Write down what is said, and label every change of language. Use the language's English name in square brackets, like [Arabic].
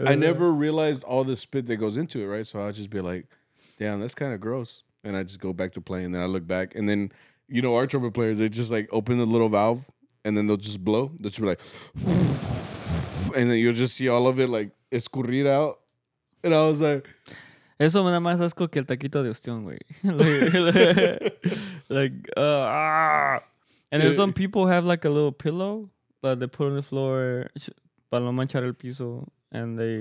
[English] I never realized all the spit that goes into it, right? So I'll just be like, damn, that's kind of gross. And I just go back to playing. And then I look back. And then, you know, our trumpet players, they just like open the little valve and then they'll just blow. They'll just be like, and then you'll just see all of it like escurrir out. And I was like, [Spanish] eso me da más asco que el taquito de ostión, güey. [English] Like, and then some people have like a little pillow that they put on the floor [Spanish] para no manchar el piso, [English] and they.